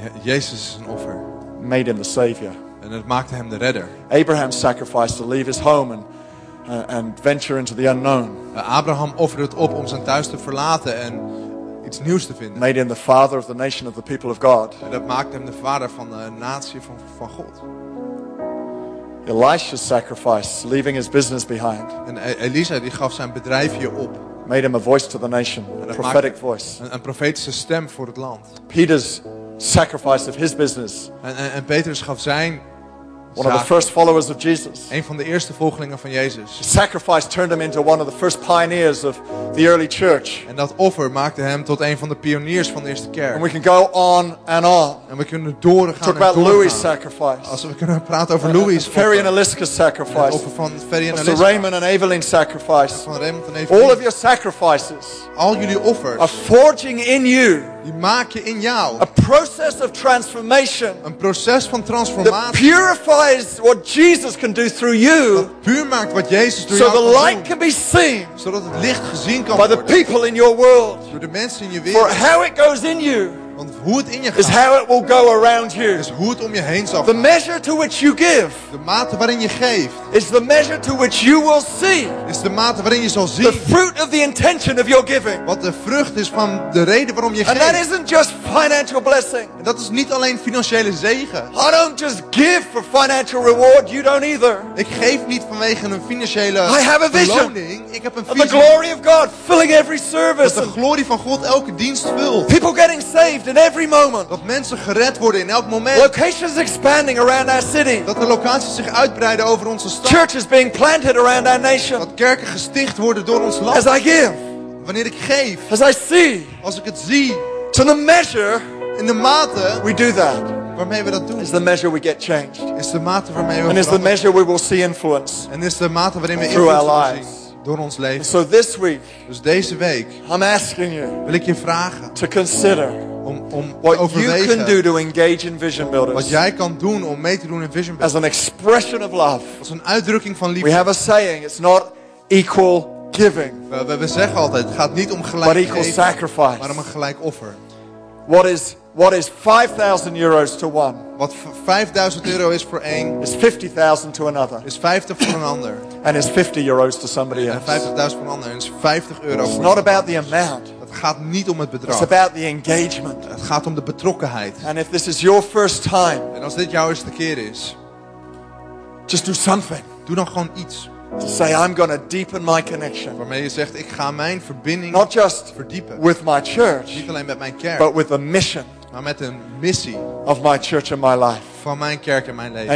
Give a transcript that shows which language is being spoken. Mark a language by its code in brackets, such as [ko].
[nl] Jezus is een offer. [en] Made him the savior. [nl] En het maakte hem de redder. [en] Abraham sacrificed to leave his home and venture into the unknown. [nl] Abraham offerde het op om zijn thuis te verlaten en iets nieuws te vinden. [en] Made him the father of the nation of the people of God. [nl] En dat maakte hem de vader van de natie van God. [en] Elisha's sacrifice, leaving his business behind. [nl] En Elisa die gaf zijn bedrijfje op. [en] Made him a voice to the nation, a prophetic voice. [nl] Een profetische stem voor het land. [en] Peter's sacrifice of his business. [nl] En Petrus gaf zijn [en] one of the first followers of Jesus. [nl] Een van de eerste volgelingen van Jezus. [en] His sacrifice turned him into one of the first pioneers of the early church. [nl] En dat offer maakte hem tot een van de pioniers van de eerste kerk. [en] And we can go on and on. [nl] En we kunnen doorgaan. [en] Talk about Louis' sacrifice. [nl] Als we kunnen praten over Louis' offer. [en] Ferry and Aliska's sacrifice. [nl] Offer van Ferry and Aliska. [en] Of Raymond and Aveline's sacrifice. [nl] Van Raymond en Aveline. [en] All of your sacrifices. [nl] Al jullie offers. [en] Are forging in you. [nl] Die maak je in jou. [en] A process of transformation. [nl] Een proces van transformatie. [en] That purifies what Jesus can do through you. [nl] Dat puur maakt wat Jezus door jou kan doen. [en] So the light can be seen. [nl] Zodat het licht gezien kan [en] by the people in your world. [nl] Door de mensen in je wereld. [en] For how it goes in you. [nl] Want hoe het in je gaat. [en] Is how it will go around you. [nl] Is hoe het om je heen zal gaan. [en] The measure to which you give. [nl] De mate waarin je geeft. [en] Is the measure to which you will see. [nl] Is de mate waarin je zal zien. [en] The fruit of the intention of your giving. [nl] Wat de vrucht is van de reden waarom je [en] and [nl] geeft. [en] And that isn't just financial blessing. [nl] En dat is niet alleen financiële zegen. [en] I don't just give for financial reward. You don't either. [nl] Ik geef niet vanwege een financiële beloning. [en] I have a vision. [nl] Ik heb een visie. [en] The glory of God filling every service. [nl] Dat de glorie van God elke dienst vult. [en] People getting saved. In every moment. [nl] Dat mensen gered worden in elk moment. [en] Locations expanding around our city. [nl] Dat de locaties zich uitbreiden over onze stad. [en] Churches being planted around our nation. [nl] Dat kerken gesticht worden door ons land. [en] As I give. [nl] Wanneer ik geef. [en] As I see. [nl] Als ik het zie. [en] To the measure. [nl] In de mate. [en] We do that. [nl] Waarmee we dat doen. [en] Is the measure we get changed. [nl] Is de mate waarmee we. [en] And is the measure we will see influence. [nl] En is de mate waarin we invloed zullen zien. Door ons leven. [en] So this week. [nl] Dus deze week. [en] I'm asking you. [nl] Wil ik je vragen. [en] To consider. [nl] Om [en] what you can do to engage in vision builders. [nl] Wat jij kan doen om mee te doen in vision builders. [en] As an expression of love. [nl] Als een uitdrukking van liefde. [en] We have a saying, it's not equal giving. [nl] We zeggen altijd, het gaat niet om gelijk geven. [en] But equal sacrifice. [nl] Maar om een gelijk offer. [en] What is 5,000 euros to one? [nl] Wat 5,000 euro is voor één. [en] Is 50,000 to another. [nl] Is 50 voor een ander. [en] And is 50 euros to somebody else. [nl] En 50,000 voor een ander. En is 50 euro. [en] It's not about the amount. [nl] Het gaat niet om het bedrag. [en] It's about the engagement. [nl] Het gaat om de betrokkenheid. [en] And if this is your first time. [nl] En als dit jouw eerste keer is. [en] Just do something. [nl] Doe dan gewoon iets. [en] To say I'm going to deepen my connection. [nl] Waarmee je zegt ik ga mijn verbinding [en] not just [nl] verdiepen. [en] With my church. [nl] Niet alleen met mijn kerk. [en] But with the mission. [nl] Maar met een missie [en] of my church and my life. [nl] Van mijn kerk en mijn leven.